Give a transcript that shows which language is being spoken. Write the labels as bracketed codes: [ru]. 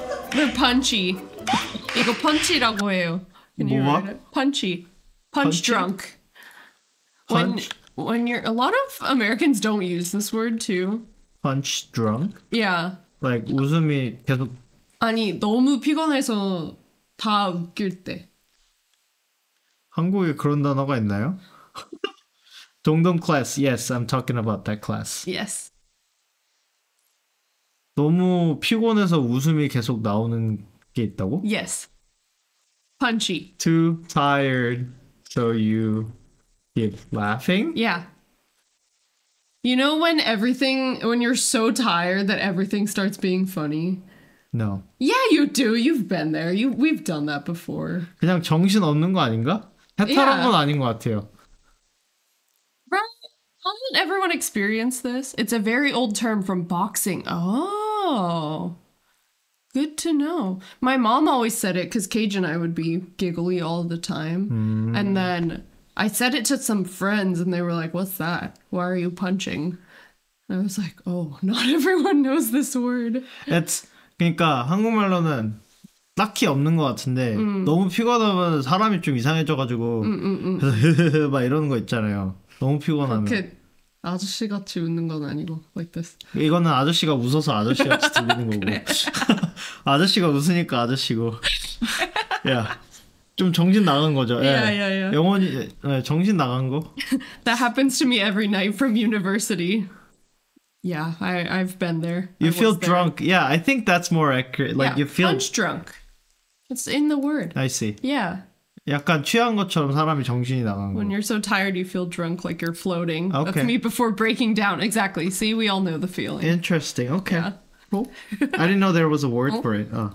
[en] They're punchy. [ko] 이거 punchy라고 해요. 뭐가? [en] Punchy. Punch drunk. Punch? When you're... A lot of Americans don't use this word too. Punch drunk? Yeah. [ko] Like 웃음이 계속... 아니 너무 피곤해서 다 웃길 때. 한국에 그런 단어가 있나요? [en] 동동 class. Yes, I'm talking about that class. Yes. [ko] 너무 피곤해서 웃음이 계속 나오는 게 있다고? [en] Yes. Punchy. Too tired, so you keep laughing? Yeah. You know when everything, when you're so tired that everything starts being funny? No. Yeah, you do. You've been there. We've done that before. [ko] 그냥 정신 없는 거 아닌가? 해탈한 건 아닌 것 같아요. [en] Right? Hasn't everyone experienced this? It's a very old term from boxing. Oh, good to know. My mom always said it because Cage and I would be giggly all the time. Mm. And then I said it to some friends and they were like, what's that? Why are you punching? And I was like, oh, not everyone knows this word. [ko] It's, 그러니까 한국말로는 딱히 없는 것 같은데 너무 피곤하면 사람이 좀 이상해져가지고 그래서 막 이러는 거 있잖아요. 너무 피곤하면. 그렇게 아저씨같이 웃는 건 아니고, [en] like this. [ko] 이거는 아저씨가 웃어서 아저씨같이 들리는 거고. 그래. 아저씨가 웃으니까 아저씨고. 야. 좀 정신 나간 거죠. [en] Yeah. [ko] 영원히 정신 나간 거. [en] That happens to me every night from university. Yeah, I've been there. You feel drunk. There. Yeah, I think that's more accurate. Like you feel punch drunk. It's in the word. I see. Yeah. [ko] 약간 취한 것처럼 사람이 정신이 나간 거. [en] When you're so tired, you feel drunk like you're floating. Okay. That's me before breaking down. Exactly. See, we all know the feeling. Interesting. Okay. Yeah. Cool. I didn't know there was a word for it.